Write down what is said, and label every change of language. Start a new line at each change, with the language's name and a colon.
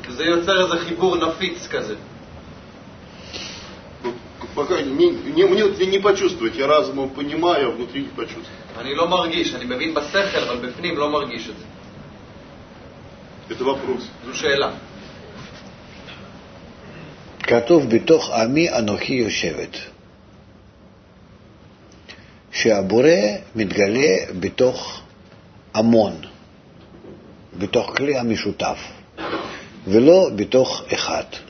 Hebrew: זה יוצר איזה חיבור נפיץ כזה.
Russian: Пока не почувствовать, я разумом понимаю, а внутри не почувствую.
Hebrew: אני לא מרגיש, אני מבין בסכל, אבל בפנים לא מרגיש את זה.
Russian: Это вопрос.
Hebrew: זו שאלה. כתוב בתוך עמי אנוכי יושבת. שהבורא מתגלה בתוך המון, בתוך כלי המשותף, ולא בתוך אחד.